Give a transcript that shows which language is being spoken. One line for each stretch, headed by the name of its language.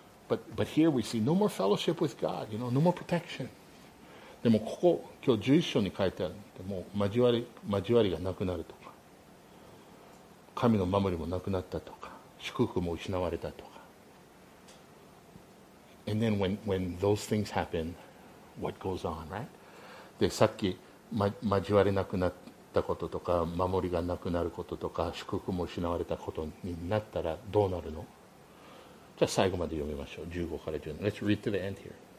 English: But here we see no more fellowship with God, you know, no more protection.
Japanese: でもここ、今日11章に書いてあるので、もう交わりがなくなると。神の守りもなくなったとか祝福も失われたとか。
English: And then when those things happen, what goes on, right?
Japanese: で、さっき、ま、交われなくなったこととか、守りがなくなることとか、祝福も失われたことになったらどうなるの？じゃあ最後まで読みましょう。15から17。
English: Let's read to the end here.